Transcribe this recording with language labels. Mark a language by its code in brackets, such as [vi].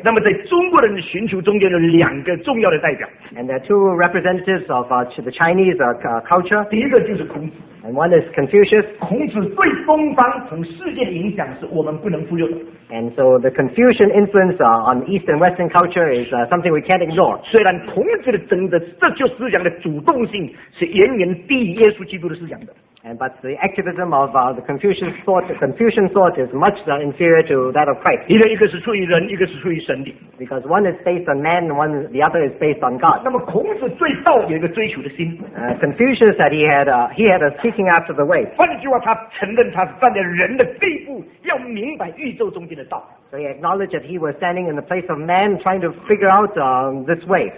[en] And there are two representatives of the Chinese culture. And one is Confucius. [zh] 孔子对东方从世界的影响是我们不能忽略的, [en] And so the Confucian influence on East and Western culture is something we can't ignore. [zh] 虽然孔子的政治思想的主动性是远远低于耶稣基督的思想的。 [en] But the activism of the Confucian thought, is much inferior to that of Christ. [zh] 一个是出于人, [en] because one is based on man, one the other is based on God. [zh] 那么孔子最道有一个追求的心。 [en] Confucius said he had a seeking after the way. [zh] 换句话，他承认他站在人的地步，要明白宇宙中间的道。 [en] So he acknowledged that he was standing in the place of man, trying to figure out this way.